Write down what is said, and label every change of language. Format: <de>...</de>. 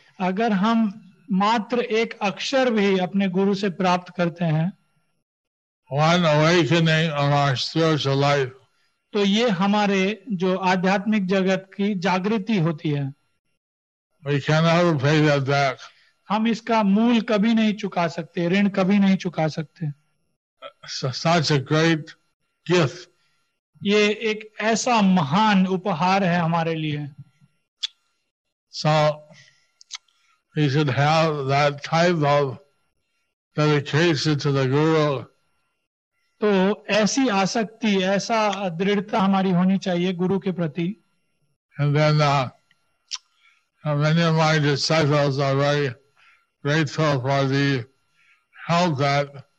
<hi>अगर हम मात्र एक अक्षर भी अपने गुरु से प्राप्त करते हैं,</hi> <en>one awakening on our spiritual life,</en> <hi>तो ये हमारे जो आध्यात्मिक जगत की जागृति होती है।</hi> <en>We cannot pay that back.</en> <hi>हम इसका मूल कभी नहीं चुका सकते, ऋण कभी नहीं चुका सकते।</hi> <en>Such a great gift.</en> <hi>ये एक ऐसा महान उपहार है हमारे लिए।</hi> <en>So we should have that type of dedication to the guru.</en> <hi>तो ऐसी आसक्ति, ऐसा दृढ़ता हमारी होनी चाहिए गुरु के प्रति।</hi> <en>And then many of my disciples are very grateful for the help that</en>